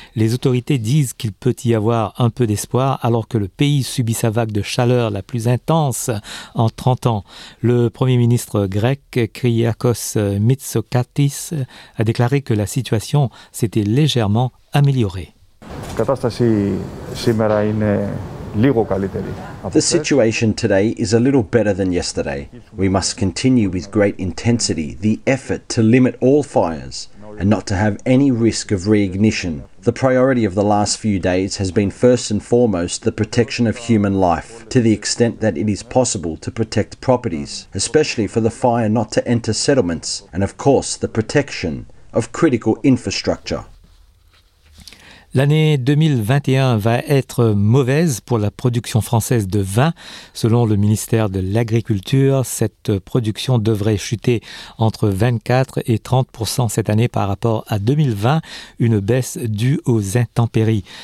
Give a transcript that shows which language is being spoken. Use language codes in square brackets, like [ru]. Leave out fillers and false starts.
[fr] Les autorités disent qu'il peut y avoir un peu d'espoir alors que le pays subit sa vague de chaleur la plus intense en 30 ans. Le premier ministre grec, Kyriakos Mitsotakis, a déclaré que la situation s'était légèrement améliorée. [en] The situation today is a little better than yesterday. We must continue with great intensity the effort to limit all fires and not to have any risk of re-ignition. The priority of the last few days has been first and foremost the protection of human life, to the extent that it is possible to protect properties, especially for the fire not to enter settlements, and of course the protection of critical infrastructure. [fr] L'année 2021 va être mauvaise pour la production française de vin. Selon le ministère de l'Agriculture, cette production devrait chuter entre 24 et 30% cette année par rapport à 2020, une baisse due aux intempéries.